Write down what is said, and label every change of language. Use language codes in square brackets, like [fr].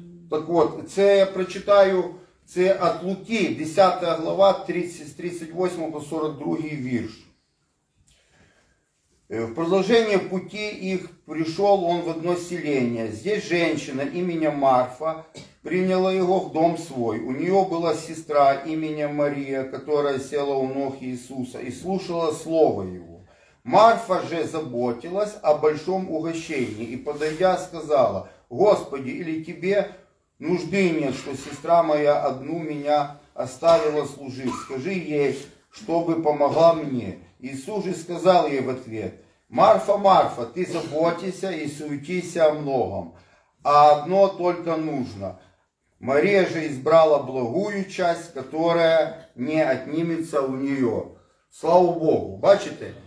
[uk] Так от, це я прочитаю, це от Луки, 10 глава, 38 по 42 вірш. В продовження пути їх прийшов он в одно селення. [ru] Здесь женщина іменем Марфа прийняла його в дом свой. [uk] У нього була сестра іменем Марія, которая села у ног Ісуса і слушала слово його. [ru] Марфа же заботилась о большом угощении и, подойдя, сказала, «Господи, или тебе нужды нет, что сестра моя одну меня оставила служить? Скажи ей, чтобы помогла мне». Иисус же сказал ей в ответ, [uk] Марфа, Марфа, ти заботися і суетися многом. [ru] А одно тільки нужно. Марія же избрала благую часть, которая не отнімиться у неї. Слава Богу. Бачите?